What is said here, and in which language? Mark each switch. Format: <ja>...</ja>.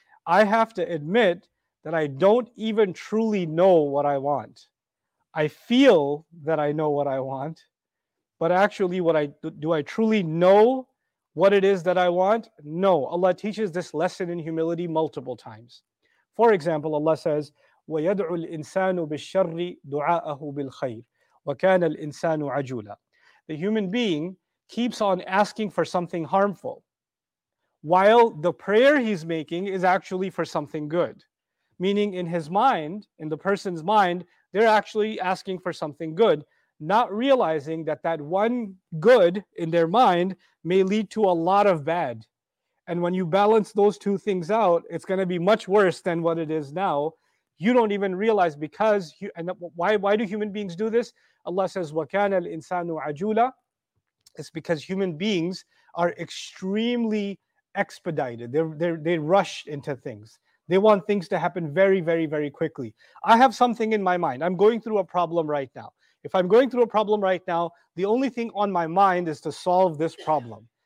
<en>I have to admit that I don't even truly know what I want. I feel that I know what I want, but actually do I truly know what it is that I want? No. Allah teaches this lesson in humility multiple times. For example, Allah says,</en> <ar>وَيَدْعُ الْإِنسَانُ بِالشَّرِّ دُعَاءَهُ بِالْخَيْرِ وَكَانَ الْإِنسَانُ عَجُولًا.</ar> <en>The human being keeps on asking for something harmful, while the prayer he's making is actually for something good. Meaning in his mind, in the person's mind, they're actually asking for something good, not realizing that that one good in their mind may lead to a lot of bad. And when you balance those two things out, it's going to be much worse than what it is now. You don't even realize why do human beings do this? Allah says,</en> <ar>وَكَانَ الْإِنسَانُ عَجُولًا.</ar> <en>It's because human beings are extremely expedited. They rush into things. They want things to happen very, very, very quickly. I have something in my mind. I'm going through a problem right now. If I'm going through a problem right now, the only thing on my mind is to solve this problem.</en>